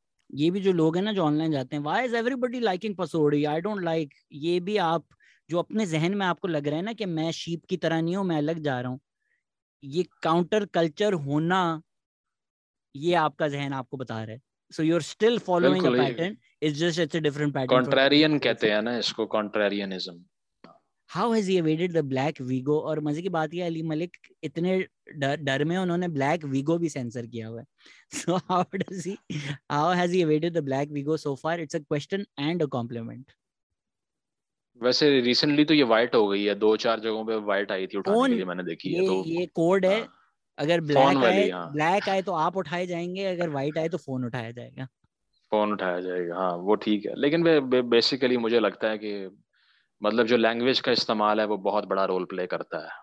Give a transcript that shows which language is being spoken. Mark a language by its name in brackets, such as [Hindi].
[Hindi] ये भी जो लोग हैं ना जो ऑनलाइन जाते हैं, [English] why is everybody liking पसोड़ी, I don't like, [Hindi] ये भी आप जो अपने जहन में आपको लग रहा है ना कि मैं शीप की तरह नहीं हूँ मैं अलग जा रहा हूँ, ये काउंटर कल्चर होना ये आपका जहन आपको बता रहा है. [English] So you are still following a pattern, it's just it's a different pattern. [Hindi] Contrarian कहते हैं ना इसको, कॉन्ट्रेरियनिज्म. [English] how has he evaded the black vigo? [Hindi] और मजे की बात ये है, अली मलिक इतने डर में उन्होंने black vigo भी censor किया हुआ है. [English] So how does he, how has he evaded the black vigo so far? It's a question and a compliment. [Hindi] वैसे recently तो ये white हो गई है, दो चार जगहों पे white आई थी उठाने के लिए, मैंने देखी है. तो ये code है, अगर black आए, black आए तो आप उठाए जाएंगे, अगर white आए तो फोन उठाया जाएगा. फोन उठाया जाएगा, हाँ वो ठीक है. लेकिन बेसिकली मुझे लगता है कि मतलब जो लैंग्वेज का इस्तेमाल है वो बहुत बड़ा रोल प्ले करता है.